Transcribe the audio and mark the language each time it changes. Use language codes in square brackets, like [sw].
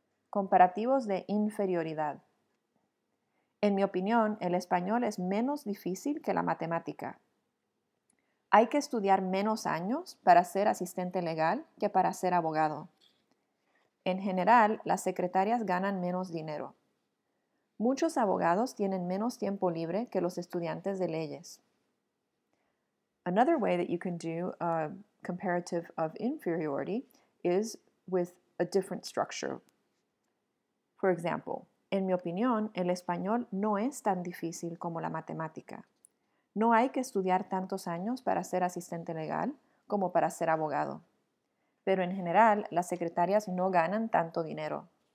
[es] Comparativos de inferioridad. En mi opinión, el español es menos difícil que la matemática. Hay que estudiar menos años para ser asistente legal que para ser abogado. En general, las secretarias ganan menos dinero. Muchos abogados tienen menos tiempo libre que los estudiantes de leyes. [en] Another way that you can do a comparative of inferiority is with a different structure. For example, [es] en mi opinión, el español no es tan difícil como la matemática. No hay que estudiar tantos años para ser asistente legal como para ser abogado. Pero en general, las secretarias no ganan tanto dinero.